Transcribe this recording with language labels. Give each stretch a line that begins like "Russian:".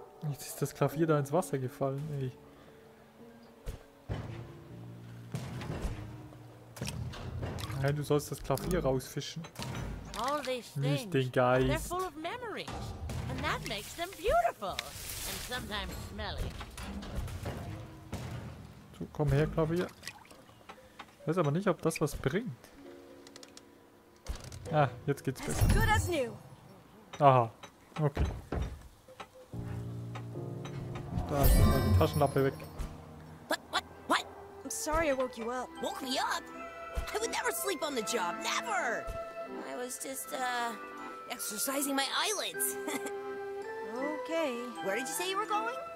German: Jetzt ist das Klavier da ins Wasser gefallen, ey. Hey, du sollst das Klavier rausfischen. Nicht den Geist.
English: They're full of memories. And that makes them beautiful. And sometimes smelly.
German: So, komm her, Klavier. Ich weiß aber nicht, ob das was bringt. Ah, jetzt geht's besser.
English: As good as new. Aha, okay.
German: Da ist mal die Taschenlampe weg.
English: What? I'm sorry I woke you up. Woke me up? I would never sleep on the job, never! I was just, exercising my eyelids. Okay. Where did you say you were going?